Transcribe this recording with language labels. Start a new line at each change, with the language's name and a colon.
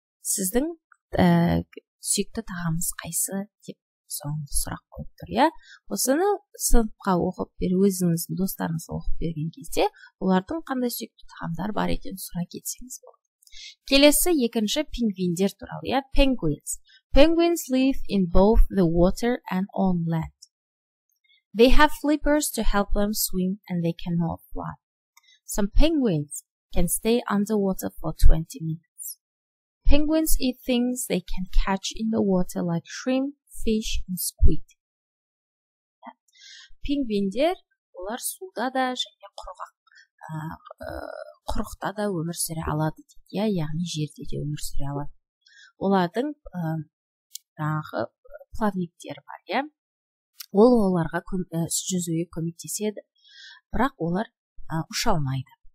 Kazakh: Сіздің сүйікті тағамыз қайсы деп соң сұрақ қойып тұр, Осыны сыныпқа оқып бер, өзіңіздің достарыңызға оқып берген кезде, олардың қандай сүйікті тағамдар бар екенін сұра кетсеңіз болады. Келесі екінші пингвиндер туралы, Penguins.
English: Penguins live in both the water and on land. They have flippers to help them swim and they cannot fly. Some penguins can stay underwater for 20 minutes. Penguins eat things they can catch in the water like shrimp, fish and squid.
Kazakh: Пингвиндер, олар суда да және құрықта да өмір сүре алады. Яғни жерде де өмір сүре алады. Олардың плавниктері бар. Ол оларға жүзуге көмектеседі. Бірақ олар ұша алмайды.